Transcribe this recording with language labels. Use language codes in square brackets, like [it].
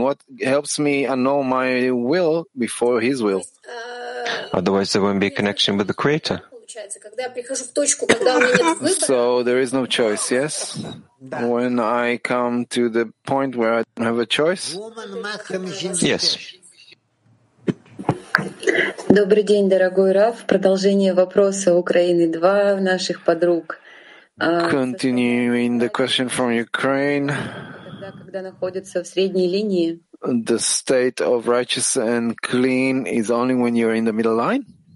[en] What helps me annul my will before his will? Otherwise, there won't be a connection with the Creator. So there is no choice, yes? When I come to the point where I don't have a choice? Yes. [ru] Добрый день, дорогой Раф. Продолжение вопроса Украины 2 наших подруг. [en] Continuing the question from Ukraine. [ru] Когда находится в средней линии? [en] The state of righteous and clean is only when you are in the middle line?